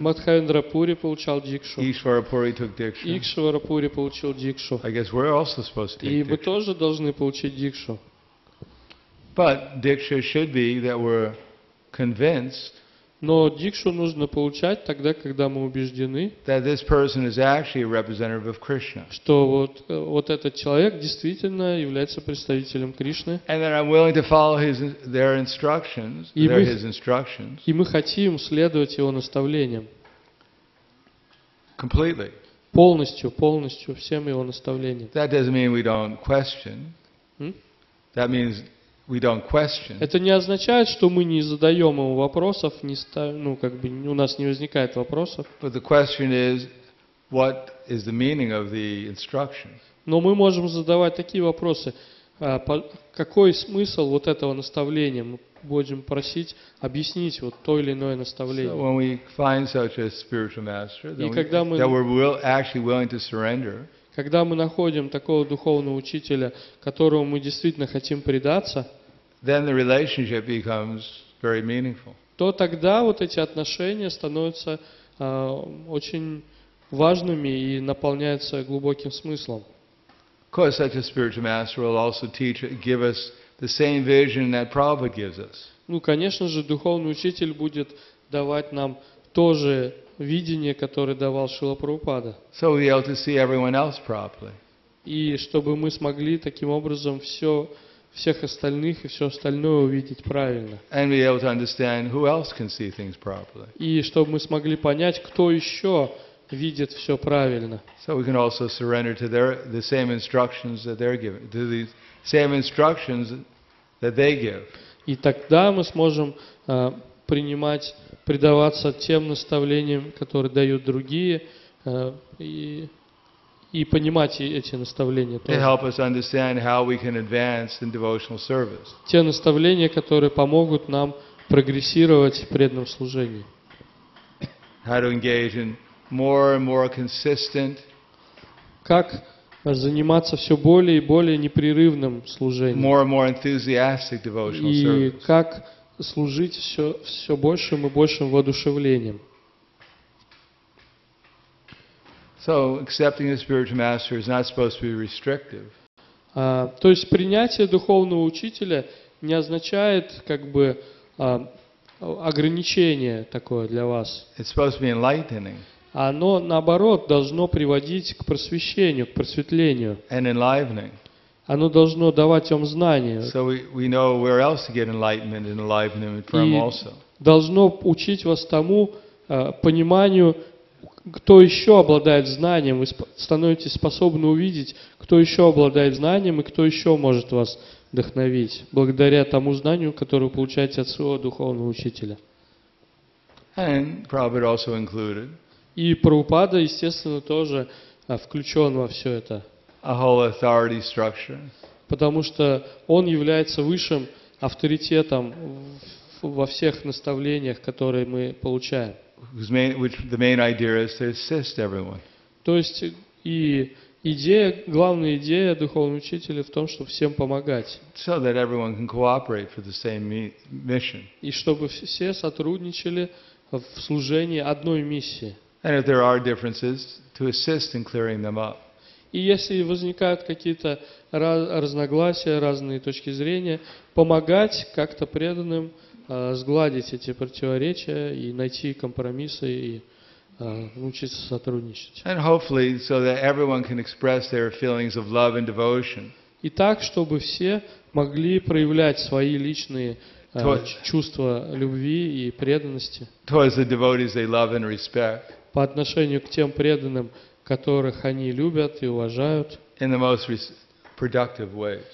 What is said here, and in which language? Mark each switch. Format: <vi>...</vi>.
<ru>Мадхавендра Пури получал дикшу.</ru> <en>Ишвара Пури took diksha.</en> <ru>Ишвара Пури получил дикшу.</ru> <en>I guess we're also supposed to take</en> <ru>diksha. И мы тоже должны получить дикшу.</ru> <en>But diksha should be that we're convinced.</en> <ru>Но дикшу нужно получать тогда, когда мы убеждены,</ru> <en>that this person is actually a representative of Krishna.</en> <ru>Что вот этот человек действительно является представителем Кришны.</ru> <en>And that I'm willing to follow their instructions.</en> <ru>И мы хотим следовать его наставлениям.</ru> <en>Completely.</en> <ru>Полностью всем его наставлениям.</ru> <en>That doesn't mean we don't question. That means we don't question.</en> <ru>Это не означает, что мы не задаем ему вопросов, у нас не возникает вопросов.</ru> <en>But the question is, what is the meaning of the instructions?</en> <ru>Но мы можем задавать такие вопросы: какой смысл вот этого наставления? Мы будем просить объяснить вот то или иное наставление.</ru> <en>So when we find such a spiritual master,</en> <ru>Когда мы находим такого духовного учителя, которому мы действительно хотим предаться,</ru> <en>then the relationship becomes very meaningful.</en> <ru>То тогда вот эти отношения становятся очень важными и наполняются глубоким смыслом.</ru> <en>Of course, such a spiritual master will also teach, give us the same vision that Prabhupada gives us.</en> <ru>Ну, конечно же, духовный учитель будет давать нам то же видение, которое давал Шрила Прабхупада.</ru> <en>So we'll be able to see everyone else properly.</en> <ru>И чтобы мы смогли таким образом все, всех остальных и все остальное увидеть правильно.</ru> <en>And be able to understand who else can see things properly.</en> <ru>И чтобы мы смогли понять, кто еще видит все правильно.</ru> <en>So we can also surrender to their, the same instructions that they're giving, to the same instructions that they give.</en> <ru>И тогда мы сможем принимать, предаваться тем наставлениям, которые дают другие, и понимать эти наставления тоже.</ru> <en>They help us understand how we can advance in devotional service.</en> <ru>Те наставления, которые помогут нам прогрессировать в преданном служении.</ru> <en>How to engage in more and more consistent.</en> <ru>Как заниматься все более и более непрерывным служением.</ru> <en>More and more enthusiastic devotional service.</en> <ru>И как служить все, все большим и большим воодушевлением.</ru> <en>So accepting the spiritual master is not supposed to be restrictive.</en> <ru>То есть принятие духовного учителя не означает как бы ограничение такое для вас.</ru> <en>It's supposed to be enlightening.</en> <ru>Оно наоборот должно приводить к просвещению, к просветлению.</ru> <en>And enlivening.</en> <ru>Оно должно давать вам знания.</ru> <en>So we know where else to get enlightenment and enlivenment from also.</en> <ru>И должно учить вас тому пониманию. Кто еще обладает знанием, вы становитесь способны увидеть, кто еще обладает знанием и кто еще может вас вдохновить, благодаря тому знанию, которое вы получаете от своего духовного учителя.</ru> <en>And Prabhupada also included.</en> <ru>И Прабхупада, естественно, тоже включен во все это.</ru> <en>A whole authority structure.</en> <ru>Потому что он является высшим авторитетом во всех наставлениях, которые мы получаем.</ru> <en>Which the main idea is to assist everyone.</en> <ru>То есть и идея, главная идея духовного учителя в том, чтобы всем помогать.</ru> <en>So that everyone can cooperate for the same mission.</en> <ru>И чтобы все сотрудничали в служении одной миссии.</ru> <en>And if there are differences, to assist in clearing them up.</en> <ru>И если возникают какие-то разногласия, разные точки зрения, помогать как-то преданным сгладить эти противоречия и найти компромиссы и научиться сотрудничать.</ru> <en>And hopefully so that everyone can express their feelings of love and devotion.</en> <ru>И так, чтобы все могли проявлять свои личные чувства любви и преданности.</ru> <en>Towards the devotees they love and respect.</en> <ru>По отношению к тем преданным, которых они любят и уважают.</ru> <en>In the most productive way.</en>